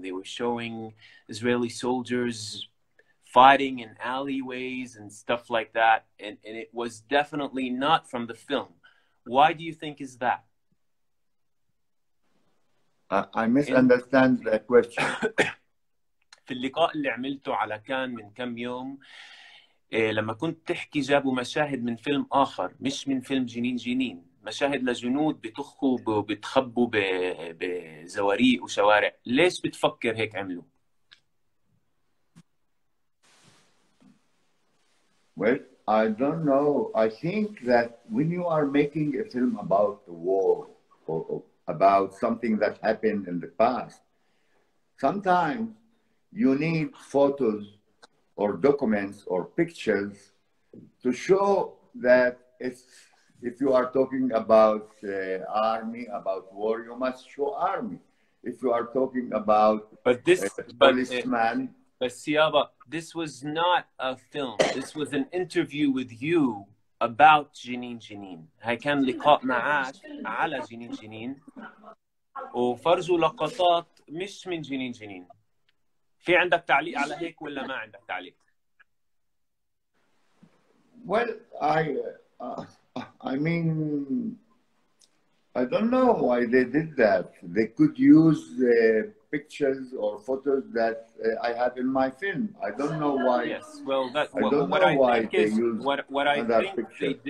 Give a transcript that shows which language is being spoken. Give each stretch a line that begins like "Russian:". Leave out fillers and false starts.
English: They were showing Israeli soldiers fighting in alleyways and stuff like that. And it was definitely not from the film. Why do you think is that? I misunderstand that question.
Arabic: في اللقاء اللي عملته على كان من كم يوم, لما كنت تحكي جابوا مشاهد من فيلم آخر مش من فيلم جنين جنين, مشاهد لجنود بتخوا بتخبوا بزواريق وشوارع. ليش بتفكر هيك عملوا؟
English: Well, I don't know. I think that when you are making a film about the war or about something that happened in the past, sometimes you need photos or documents or pictures to show that if you are talking about army, about war, you must show army. If you are talking about policeman. But Siaba, this was not a film. This was an interview with you about Jenin Jenin.
Arabic: هاي كان لقاء معك على جنين جنين. وفرجوا لقطات مش من جنين جنين. في عندك تعليق على هيك ولا ما عندك تعليق؟
English: Well, I mean, I don't know why they did that. They could use pictures or photos that I have in my film. I don't know why. Yes, well, I don't know why they used that picture.